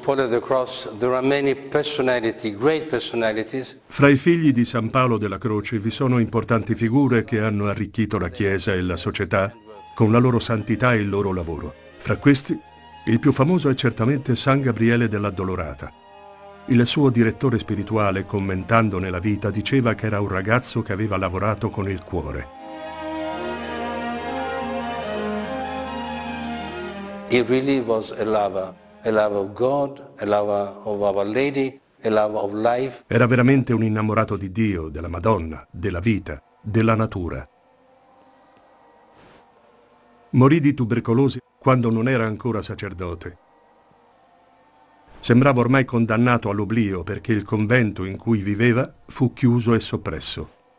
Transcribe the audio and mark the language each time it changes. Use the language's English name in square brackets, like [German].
[English] Paul of the Cross, there are many personality, great personalities. [Italian] Fra i figli di San Paolo della Croce vi sono importanti figure che hanno arricchito la Chiesa e la società con la loro santità e il loro lavoro. Fra questi, il più famoso è certamente San Gabriele dell'Addolorata. Il suo direttore spirituale, commentandone la vita, diceva che era un ragazzo che aveva lavorato con il cuore. [English] He really was a lover of God, a lover of Our Lady, a lover of life. [Italian] Era veramente un innamorato di Dio, della Madonna, della vita, della natura. Morì di tubercolosi quando non era ancora sacerdote. Sembrava ormai condannato all'oblio perché il convento in cui viveva fu chiuso e soppresso.